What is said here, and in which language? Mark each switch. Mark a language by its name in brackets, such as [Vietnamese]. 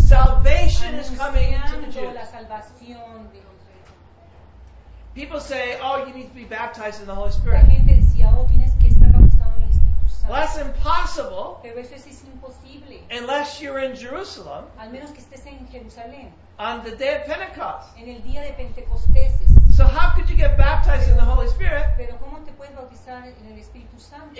[English] Salvation is coming to the Jews. [Spanish] La salvación de los [English] people say, oh, you need to be baptized in the Holy Spirit. [Spanish] La gente decía, oh, tienes que estar bautizado en el Espíritu Santo. [English] Well, that's impossible. [Spanish] Pero eso es imposible. [English] Unless you're in Jerusalem. [Spanish] Al menos que estés en Jerusalén. [English] On the day of Pentecost. [Spanish] En el día de Pentecostés. [English] So how could you get baptized in the Holy Spirit? [Spanish] Pero ¿cómo te puedes bautizar en el Espíritu Santo?